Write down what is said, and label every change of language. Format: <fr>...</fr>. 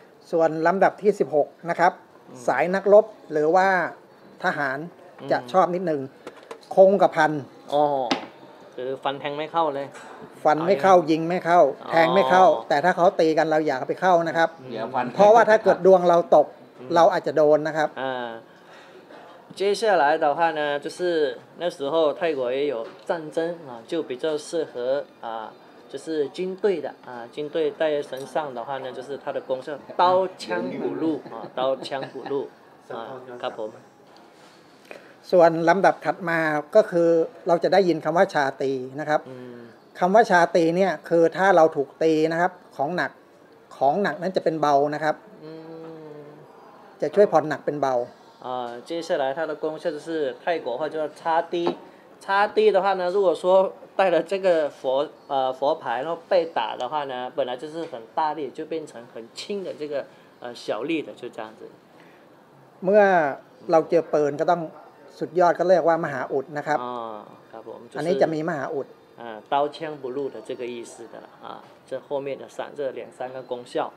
<th>ส่วนลำดับที่16นะครับสายนักรบหรือว่าทหารจะชอบนิดนึงคงกับพัน อ๋อคือฟันแทงไม่เข้าเลย ฟันไม่เข้ายิงไม่เข้าแทงไม่เข้าแต่ถ้าเขาตีกันเราอย่าไปเข้านะครับเพราะว่าถ้าเกิดดวงเราตกเราอาจจะโดนนะครับ</th> <zh>接下来的话呢，就是那时候泰国也有战争啊，就比较适合就是军队的军队带在身上的话呢，就是它的功效，刀枪不入刀枪不入啊，</zh> <th>ครับผม。 ส่วนลำดับถัดมาก็คือเราจะได้ยินคำว่าชาตีนะครับ คำว่าชาตีเนี่ยคือถ้าเราถูกตีนะครับของหนักนั้นจะเป็นเบานะครับ จะช่วยผ่อนหนักเป็นเบา</th> <zh>接下来它的功效就是泰国话叫擦滴，擦滴的话呢，如果说带了这个佛牌，然后被打的话呢，本来就是很大力，就变成很轻的这个小力的，就这样子。</zh> <th>เมื่อเราเจอเปิร์นก็ต้องสุดยอดก็เรียกว่ามหาอุดนะครับ ครับผม อันนี้จะมีมหาอุด</th> <zh>刀枪不入的这个意思的这后面的三这两三个功效。</zh>